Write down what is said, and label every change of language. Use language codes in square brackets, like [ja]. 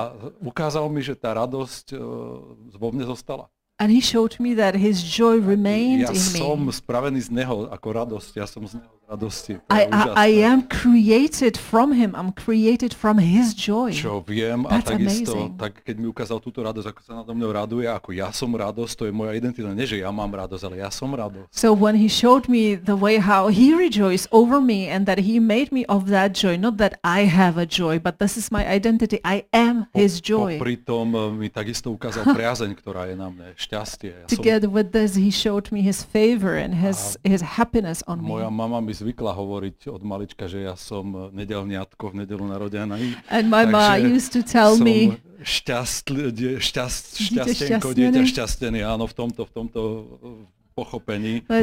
[sk] A ukázal mi, že tá radosť vo mne zostala. [en] And he showed me that his joy remained in me. [sk] Ja som spravený z neho ako radosť. Ja som z neho z radosti. [en] I am created from him. I'm created from his joy. [sk] Čo viem a takisto, tak keď mi ukázal túto radosť, ako sa nad mnou raduje, ako ja som radosť, to je moja identita. Nie, že ja mám radosť, ale ja som radosť. [en] So when he showed me the way how he rejoiced over me and that he made me of that joy, not that I have a joy, but this is my identity. I am his joy. [sk] Popri tom mi takisto ukázal priazeň, ktorá je na mne. Šťastie. Ja [en] Together with this he showed me his favor and his happiness on [sk] moja Moja mama mi zvykla hovoriť od malička, že ja som nedelniatko v nedelu narodená. [en] And my mama used to tell me [sk] šťastenko, dieťa šťastený, áno, v tomto pochopení.